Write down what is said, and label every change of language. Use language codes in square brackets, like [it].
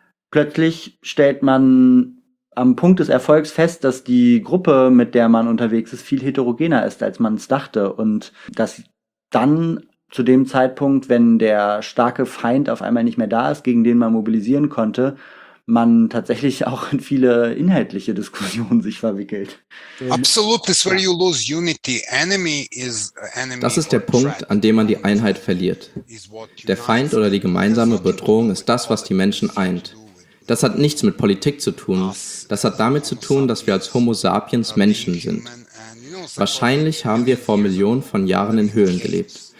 [de] Plötzlich stellt man am Punkt des Erfolgs fest, dass die Gruppe, mit der man unterwegs ist, viel heterogener ist, als man es dachte. Und dass dann zu dem Zeitpunkt, wenn der starke Feind auf einmal nicht mehr da ist, gegen den man mobilisieren konnte, man tatsächlich auch in viele inhaltliche Diskussionen sich verwickelt. [en] Absolut, this is where you lose unity. Enemy is enemy. [de] Das ist der Punkt, an dem man die Einheit verliert. Der Feind oder die gemeinsame Bedrohung ist das, was die Menschen eint. Das hat nichts mit Politik zu tun. Das hat damit zu tun, dass wir als Homo sapiens Menschen sind. Wahrscheinlich haben wir vor Millionen von Jahren in Höhlen gelebt.